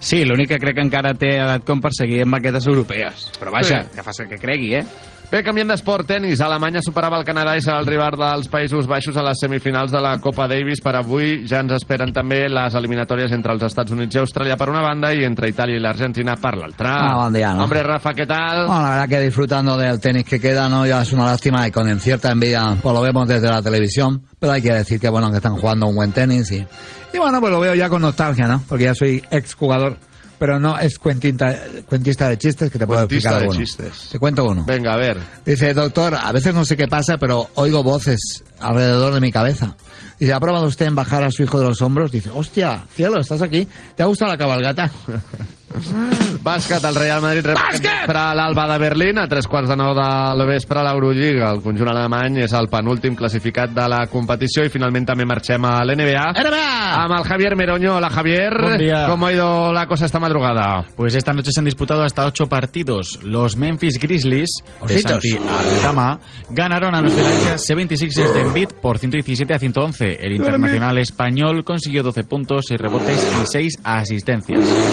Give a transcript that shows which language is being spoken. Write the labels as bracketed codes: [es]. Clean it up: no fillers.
[ca] Sí, l'únic que crec que encara té edat com per seguir en maquetes europees. Però vaja, sí. que faci el que cregui, eh? Bé, canviant d'esport, tenis. Alemanya superava el Canadà i serà el rival dels Països Baixos a les semifinals de la Copa Davis. Per avui ja ens esperen també les eliminatòries entre els Estats Units i Austràlia per una banda i entre Itàlia i l'Argentina per l'altra. Ah, bon dia, no? Hombre, Rafa, què tal? [es] Bueno, la verdad que disfrutando del tenis que queda, ¿no? Ya es una lástima y con cierta envidia, pues lo vemos desde la televisión, pero hay que decir que, bueno, que están jugando un buen tenis y bueno, pues lo veo ya con nostalgia, ¿no? Porque ya soy exjugador. Pero no es cuentista de chistes que te puedo cuentista explicar. Cuentista de chistes. Te cuento uno. Venga, a ver. Dice, doctor, a veces no sé qué pasa, pero oigo voces alrededor de mi cabeza. Dice, ¿ha probado usted en bajar a su hijo de los hombros? Dice, hostia, cielo, estás aquí. ¿Te ha gustado la cabalgata? [ca] Bàsquet, el Real Madrid per a l'Alba de Berlín a 3:15 de la vespre a l'Eurolliga. El conjunt alemany és el penúltim classificat de la competició i finalment també marxem a l'NBA amb el Javier Meroño. Hola, Javier. Bon dia. ¿Com [es] ha ido la cosa esta madrugada? Pues esta noche se han disputado hasta 8 partidos. Los Memphis Grizzlies de Santi Aldama ganaron a los Philadelphia 76ers de Embiid por 117-111. El internacional español consiguió 12 puntos, 6 rebotes y 6 asistencias.